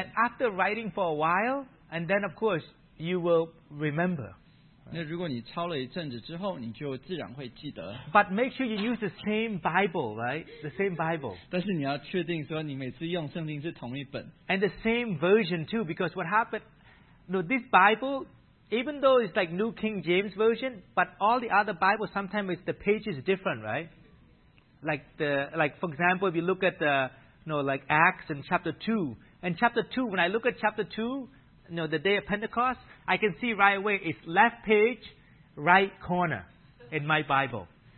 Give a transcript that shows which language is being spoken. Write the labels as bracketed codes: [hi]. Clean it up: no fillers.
[en] And after writing for a while, and then of course you will remember. [zh] 那如果你抄了一阵子之后，你就自然会记得。But [en] make sure you use the same Bible, right? The same Bible. [zh] 但是你要确定说你每次用圣经是同一本。And [en] the same version too, because what happened? No, this Bible. Even though it's like New King James Version, but all the other Bibles, sometimes it's the page is different, right? Like the for example, if you look at the like Acts in chapter 2. And chapter 2, when I look at chapter 2, the day of Pentecost, I can see right away it's left page, right corner in my Bible.